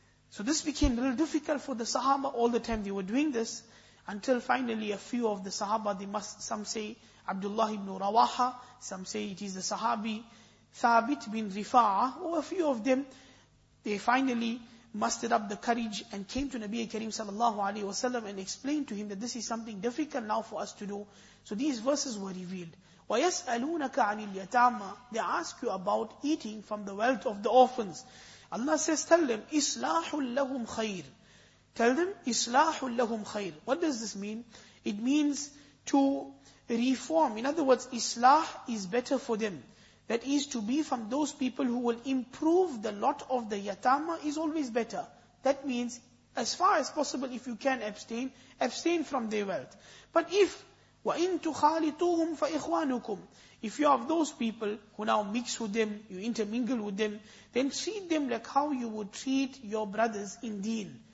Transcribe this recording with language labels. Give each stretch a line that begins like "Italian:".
English: So this became real difficult for the Sahaba. All the time they were doing this, until finally a few of the Sahaba, some say Abdullah ibn Rawaha, some say it is the Sahabi Thabit bin Rifa'ah, or a few of them, they finally mustered up the courage and came to Nabi Kareem sallallahu alaihi wasallam and explained to him that this is something difficult now for us to do. So these verses were revealed.
Arabic: وَيَسْأَلُونَكَ عَنِ الْيَتَامَى,
English: they ask you about eating from the wealth of the orphans. Allah says, tell them,
Arabic: إِصْلَاحٌ لَهُمْ خَيْرٌ.
English: Tell them,
Arabic: إِصْلَاحٌ لَهُمْ خَيْرٌ.
English: What does this mean? It means to reform. In other words, إِصْلَاح is better for them. That is to be from those people who will improve the lot of the yatama is always better. That means, as far as possible, if you can abstain, abstain from their wealth. But if,
Arabic: وَإِن تُخَالِطُوهُمْ فَإِخْوَانُكُمْ,
English: if you are of those people who now mix with them, you intermingle with them, then treat them like how you would treat your brothers in deen,